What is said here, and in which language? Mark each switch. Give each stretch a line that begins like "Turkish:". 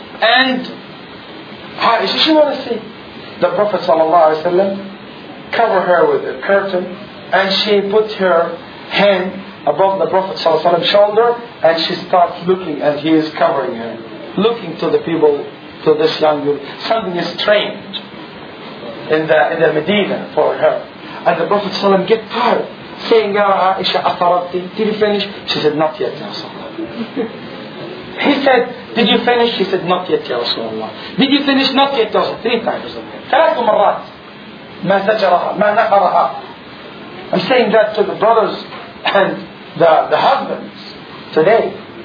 English: And she wanna see the Prophet sallallahu alaihi wasallam cover her with a curtain, and she puts her hand above the Prophet sallallahu alaihi wasallam shoulder, and she starts looking, and he is covering her, looking to the people, to this young girl. Something is strange in the Medina for her. And the Prophet sallallahu alaihi wasallam get tired, saying, "Ya Aisha, atharati, did you finish?" She said, "Not yet, ya Rasulullah." He said, "Did you finish?" She said, "Not yet, ya Rasulullah." "Did you finish?" "Not yet, ya Rasulullah." Three times.
Arabic: ثلاث مرات ما زجرها ما نقرها.
English: I'm saying that to the brothers and the husbands today.